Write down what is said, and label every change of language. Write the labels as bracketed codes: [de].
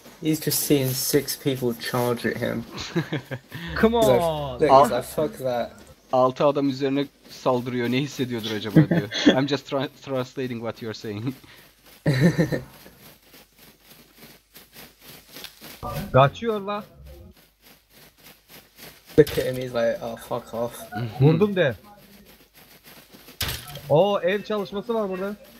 [en] He's just seeing six people charge at him. Come on! Fuck that. [tr] 6 adam üzerine saldırıyor. Ne hissediyordur acaba diyor. [en] I'm just translating what you're saying. [tr] Kaçıyor la. [en] Look at him, he's like, oh fuck off. [tr] Vurdum de. Oo, ev çalışması var burada.